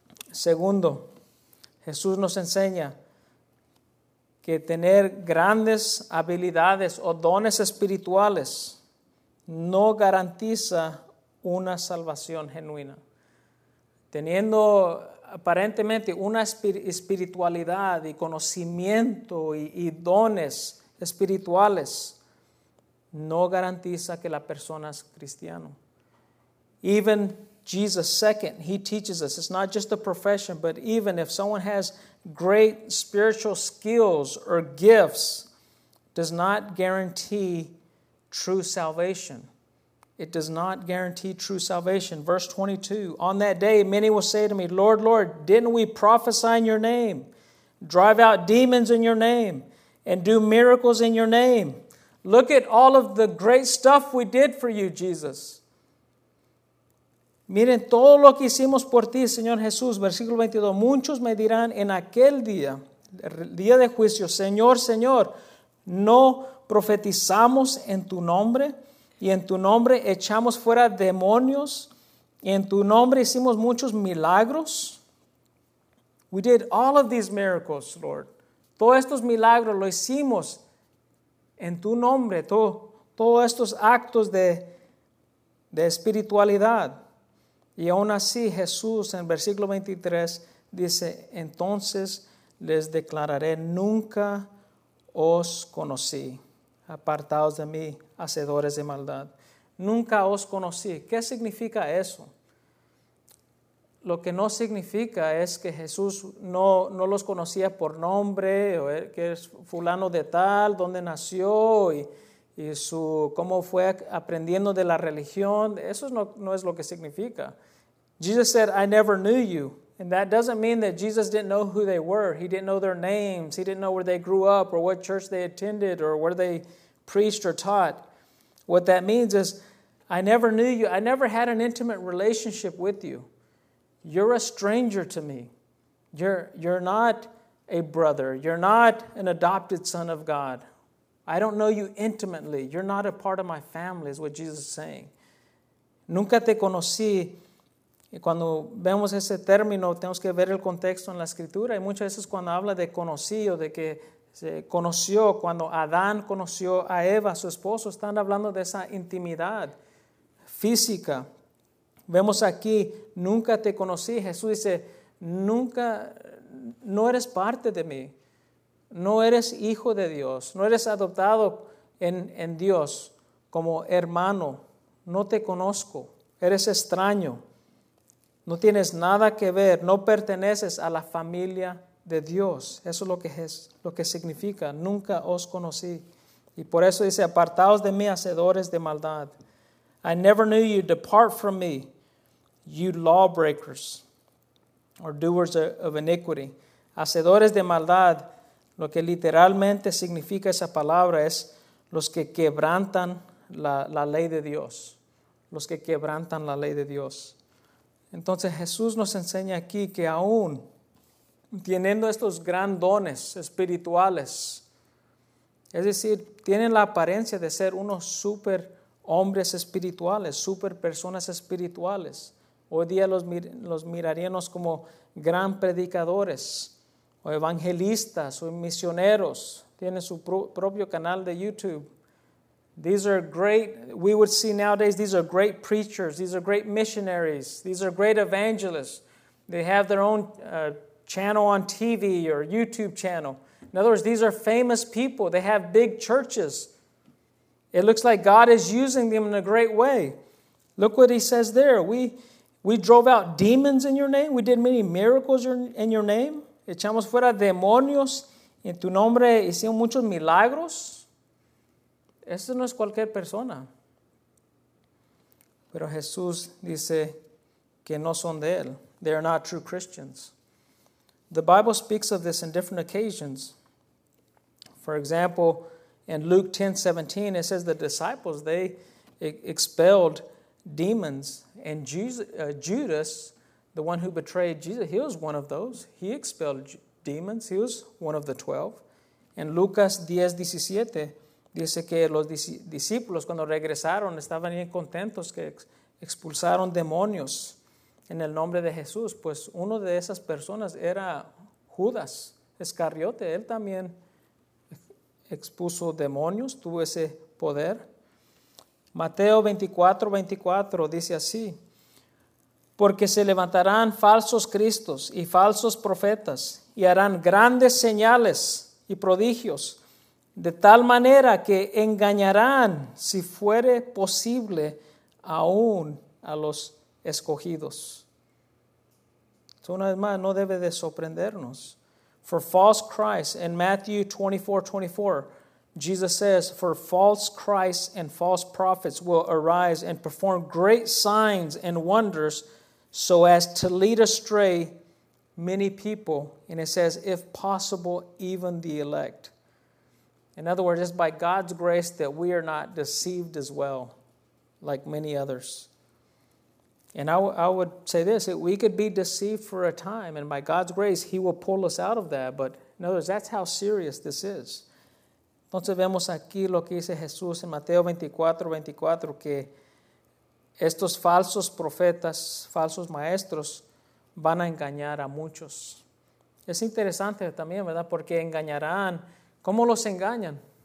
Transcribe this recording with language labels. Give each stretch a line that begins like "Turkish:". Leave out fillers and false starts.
Spanish: Segundo, Jesús nos enseña que tener grandes habilidades o dones espirituales no garantiza una salvación genuina. Teniendo aparentemente una espiritualidad y conocimiento y dones espirituales, no garantiza que la persona es cristiano.
English: Even Jesus, second, he teaches us, it's not just a profession, but even if someone has great spiritual skills or gifts, does not guarantee true salvation. It does not guarantee true salvation. Verse 22, on that day, many will say to me, Lord, Lord, didn't we prophesy in your name, drive out demons in your name, and do miracles in your name? Look at all of the great stuff we did for you, Jesus.
Spanish: Miren todo lo que hicimos por ti, Señor Jesús. Versículo 22, muchos me dirán en aquel día, el día de juicio, Señor, Señor, ¿no profetizamos en tu nombre? Y en tu nombre echamos fuera demonios. Y en tu nombre hicimos muchos milagros.
English: We did all of these miracles, Lord.
Spanish: Todos estos milagros lo hicimos en tu nombre. Todos estos actos de espiritualidad. Y aún así Jesús en versículo 23 dice, entonces les declararé, nunca os conocí. Apartados de mí, hacedores de maldad. Nunca os conocí. ¿Qué significa eso? Lo que no significa es que Jesús no los conocía por nombre, o que es fulano de tal, dónde nació y su cómo fue aprendiendo de la religión. Eso no es lo que significa.
English: Jesus said, I never knew you. And that doesn't mean that Jesus didn't know who they were. He didn't know their names. He didn't know where they grew up or what church they attended or where they preached or taught. What that means is, I never knew you. I never had an intimate relationship with you. You're a stranger to me. You're not a brother. You're not an adopted son of God. I don't know you intimately. You're not a part of my family, is what Jesus is saying.
Spanish: Nunca te conocí. Y cuando vemos ese término, tenemos que ver el contexto en la Escritura. Y muchas veces cuando habla de conocido, de que se conoció, cuando Adán conoció a Eva, su esposo, están hablando de esa intimidad física. Vemos aquí, nunca te conocí. Jesús dice, nunca, no eres parte de mí. no eres hijo de Dios, no eres adoptado en Dios como hermano, no te conozco, eres extraño, no tienes nada que ver, no perteneces a la familia de Dios. Eso es lo que significa, nunca os conocí. Y por eso dice, apartaos de mí, hacedores de maldad.
English: I never knew you, depart from me, you lawbreakers, or doers of iniquity.
Spanish: Hacedores de maldad, lo que literalmente significa esa palabra es los que quebrantan la ley de Dios. Los que quebrantan la ley de Dios. Entonces Jesús nos enseña aquí que aún teniendo estos gran dones espirituales, es decir, tienen la apariencia de ser unos super hombres espirituales, super personas espirituales. Hoy día los miraríamos como gran predicadores o evangelistas o misioneros. Tienen su propio canal de YouTube.
English: These are great, we would see nowadays, these are great preachers. These are great missionaries. These are great evangelists. They have their own channel on TV or YouTube channel. In other words, these are famous people. They have big churches. It looks like God is using them in a great way. Look what he says there. We drove out demons in your name. We did many miracles in your name.
Spanish: Echamos fuera demonios. En tu nombre hicimos muchos milagros. Eso no es cualquier persona. Pero Jesús dice que no son de él.
English: They are not true Christians. The Bible speaks of this in different occasions. For example, in Luke 10:17, it says the disciples, they expelled demons. And Judas, the one who betrayed Jesus, he was one of those. He expelled demons. He was one of the 12.
Spanish: In Lucas 10:17, dice que los discípulos cuando regresaron estaban bien contentos que expulsaron demonios en el nombre de Jesús. Pues uno de esas personas era Judas Iscariote. Él también expuso demonios, tuvo ese poder. Mateo 24:24 dice así, porque se levantarán falsos cristos y falsos profetas y harán grandes señales y prodigios, de tal manera que engañarán, si fuere posible, aún a los escogidos. So, una vez más, no debe de sorprendernos.
English: For false Christ, in Matthew 24:24, Jesus says, for false Christ and false prophets will arise and perform great signs and wonders so as to lead astray many people. And it says, if possible, even the elect. In other words, it's by God's grace that we are not deceived as well, like many others. And I would say this, that we could be deceived for a time, and by God's grace, he will pull us out of that. But in other words, that's how serious this is.
Spanish: Entonces vemos aquí lo que dice Jesús en Mateo 24:24, que estos falsos profetas, falsos maestros, van a engañar a muchos. Es interesante también, ¿verdad? Porque engañarán. ¿Cómo los engañan?